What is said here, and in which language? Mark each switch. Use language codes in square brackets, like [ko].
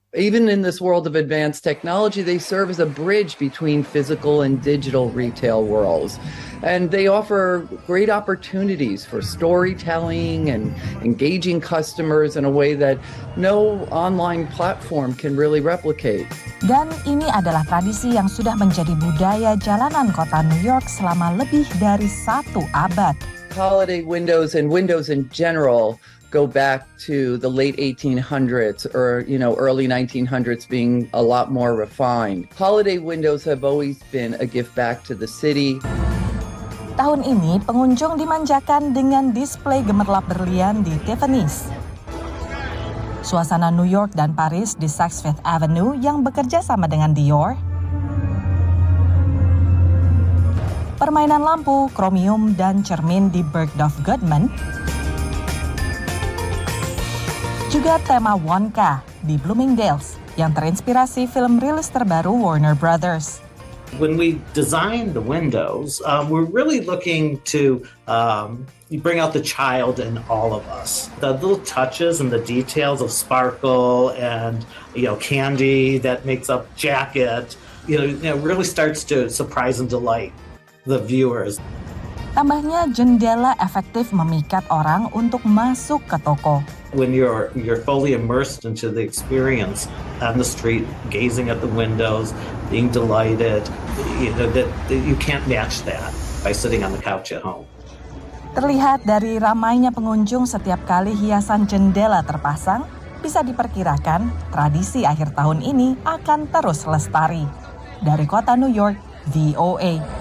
[en] Even in this world of advanced technology, they serve as a bridge between physical and digital retail worlds. And they offer great opportunities for storytelling and engaging customers in a way that no online platform can really replicate. [id] Dan ini adalah tradisi yang sudah menjadi budaya jalanan kota New York selama lebih dari satu abad. [en] Holiday windows and windows in general go back to the late 1800s or, you know, early 1900s being a lot more refined. Holiday windows have always been a gift back to the city. [id] Tahun ini, pengunjung dimanjakan dengan display gemerlap berlian di Tiffany's. Suasana New York dan Paris di Saks Fifth Avenue yang bekerja sama dengan Dior. Permainan lampu, kromium, dan cermin di Bergdorf Goodman. Juga tema Wonka di Bloomingdale's yang terinspirasi film rilis terbaru Warner Brothers. [en] When we design the windows, we're really looking to bring out the child in all of us. The little touches and the details of sparkle and, you know, candy that makes up jacket, you know, really starts to surprise and delight the viewers. [id] Tambahnya, jendela efektif memikat orang untuk masuk ke toko. [en] When you're fully immersed into the experience on the street, gazing at the windows, being delighted, you know, that you can't match that by sitting on the couch at home. [id] Terlihat dari ramainya pengunjung setiap kali hiasan jendela terpasang, bisa diperkirakan tradisi akhir tahun ini akan terus lestari. Dari kota New York, VOA.